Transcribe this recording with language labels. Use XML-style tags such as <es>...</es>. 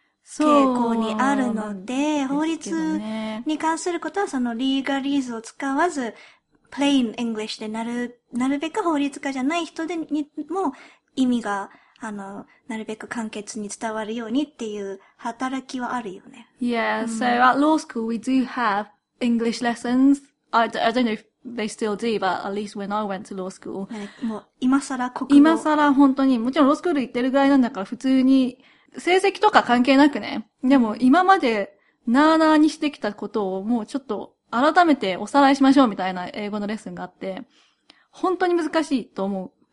<ja>傾向にあるので、ね、法律に関することはそのリーガリーズを使わず、プレインイングリッシュでなるべく法律家じゃない人でにも意味が、なるべく簡潔に伝わるようにっていう働きはあるよね。</ja> <en>Yeah,、うん、so at law school we do have English lessons. I don't know if they still do, but at least when I went to law school.</en> <ja>もう今更国語。今更本当に、もちろんロースクール行ってるぐらいなんだから普通に成績とか関係なくね。でも今までなーなーにしてきたことをもうちょっと改めておさらいしましょうみたいな英語のレッスンがあって、本当に難しいと思う。</ja>